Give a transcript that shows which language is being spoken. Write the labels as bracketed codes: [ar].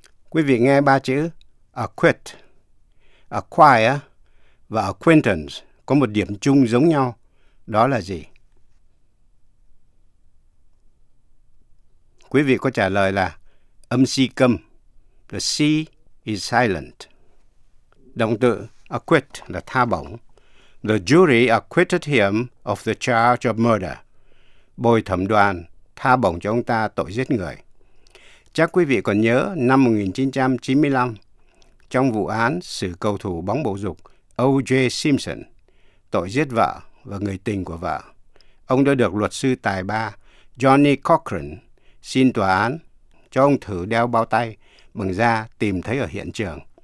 [vi] Quý vị nghe ba chữ acquit, acquire và acquaintance có một điểm chung giống nhau. Đó là gì? Quý vị có trả lời là âm si câm. [en] The si is silent. [vi] Động từ acquit là tha bổng. [en] The jury acquitted him of the charge of murder. [vi] Bồi thẩm đoàn tha bổng cho ông ta tội giết người. Chắc quý vị còn nhớ năm 1995, trong vụ án xử cầu thủ bóng bầu dục O.J. Simpson, tội giết vợ và người tình của vợ, ông đã được luật sư tài ba Johnny Cochran xin tòa án cho ông thử đeo bao tay bằng da tìm thấy ở hiện trường.